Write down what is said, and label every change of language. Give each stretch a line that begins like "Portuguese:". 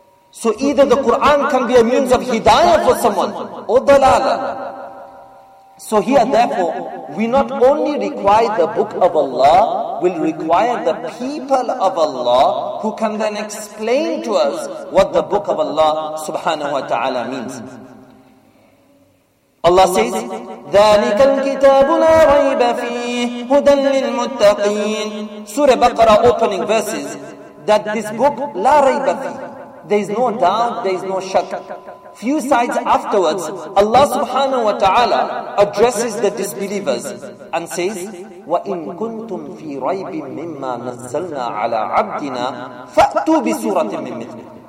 English: So either the Quran can be a means of hidayah for someone or dalala. So here therefore, we not only require the book of Allah, we'll require the people of Allah who can then explain to us what the book of Allah subhanahu wa ta'ala means. Allah says,
Arabic: ذَلِكَ الْكِتَابُ لَا رَيْبَ فِيهِ هُدًى لِلْمُتَّقِينَ.
English: Surah Baqarah opening verses, that this book,
Arabic: لَا رَيْبَ فِيهِ,
English: there is no doubt, there is no shak. Few sides afterwards, Allah subhanahu wa ta'ala addresses the disbelievers and says,
Arabic: وَإِن كُنْتُمْ فِي رَيْبٍ مِّمَّا نَزَّلْنَا عَلَىٰ عَبْدِنَا فَأْتُوا بِسُورَةٍ مِّن مِّثْلِهِ.